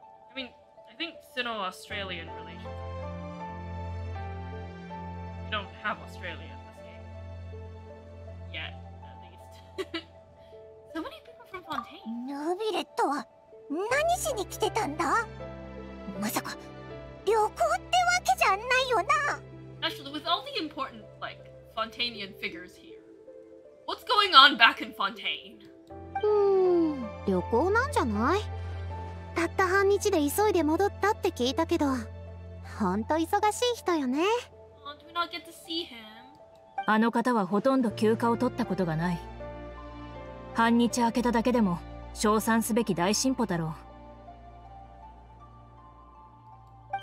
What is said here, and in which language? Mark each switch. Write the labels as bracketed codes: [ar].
[en] I mean, I think Sino-Australian relations. We don't have Australia in this game. Yet, at least. So many people from Fontaine. [ja] ヌビレットは何しに来てたんだ？まさか旅行ってわけじゃないよな。 [en] Actually, with all the important, like, Fontainean figures here, what's going on back in Fontaine? [ja] 旅行なんじゃない？たった半日で急いで戻ったって聞いたけど、ほんと忙しい人よね。 [en] Do we not get to see him? [ja] あの方はほとんど休暇を取ったことがない。半日空けただけでも称賛すべき大進歩だろう。